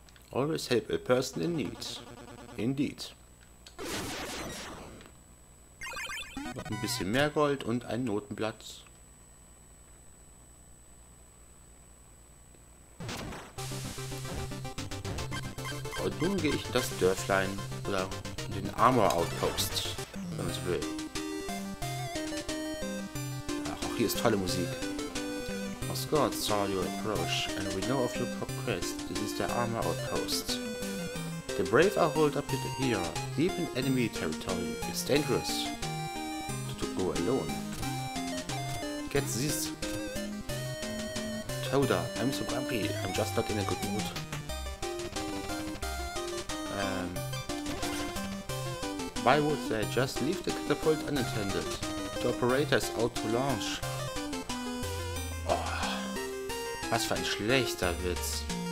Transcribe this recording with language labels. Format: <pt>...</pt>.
<en>Always help a person in need. Indeed.</en> <de>Ein bisschen mehr Gold und ein Notenblatt. Und nun gehe ich in das Dörflein oder in den Armor Outpost, wenn man so will. Ach, auch hier ist tolle Musik.</de> <en>Oscar saw your approach, and we know of your progress. This is the Armor Outpost. The brave are holed up here, deep in enemy territory. It's dangerous to go alone. Get this. Toda, I'm so grumpy. I'm just not in a good mood. Why would they just leave the catapult unattended? The operator is out to launch.</en> <de>Was für ein schlechter Witz.</de>